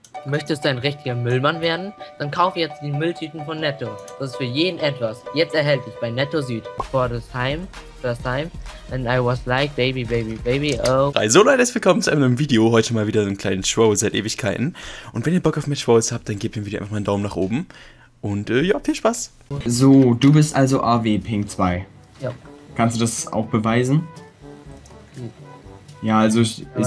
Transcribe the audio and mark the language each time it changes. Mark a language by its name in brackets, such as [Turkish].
[German] Möchtest du ein richtiger Müllmann werden? Dann kaufe jetzt die Mülltüten von Netto. Das ist für jeden etwas. Jetzt erhältlich bei Netto Süd. [English] For the time, first time. And I was like, baby, baby, baby, oh. [German] Also Leute, herzlich willkommen zu einem neuen Video. Heute mal wieder so einen kleinen Show seit Ewigkeiten. Und wenn ihr Bock auf mehr Shows habt, dann gebt dem Video einfach mal einen Daumen nach oben. Und ja, viel Spaß. So, du bist also AW Ping 2. Ja. Kannst du das auch beweisen? Ja, also ich...